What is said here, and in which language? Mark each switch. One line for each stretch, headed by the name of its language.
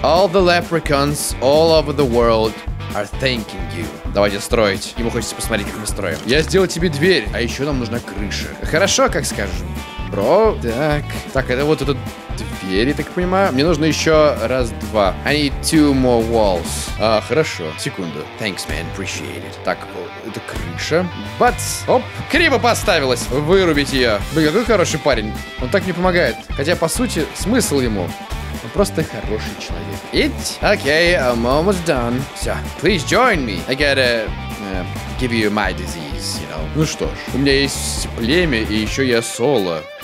English: All the leprechauns all over the world are thanking you.
Russian: Давайте строить. Ему хочется посмотреть, как мы строим. Я сделал тебе дверь, а еще нам нужна крыша. Хорошо, как скажем. Бро, так. Так, это вот эта дверь, я так понимаю. Мне нужно еще раз, два.
English: I need two more walls.
Russian: А, хорошо. Секунду.
English: Thanks, man. Appreciate it.
Russian: Так, это крыша. Бац. Оп. Криво поставилась. Вырубить ее. Блин, какой хороший парень. Он так мне помогает. Хотя, по сути, смысл ему. Он просто хороший человек.
English: Ить. Окей, I'm almost done.
Russian: Все.
English: Please join me. I gotta give you my disease, you know.
Russian: Ну что ж, у меня есть племя, и еще я соло.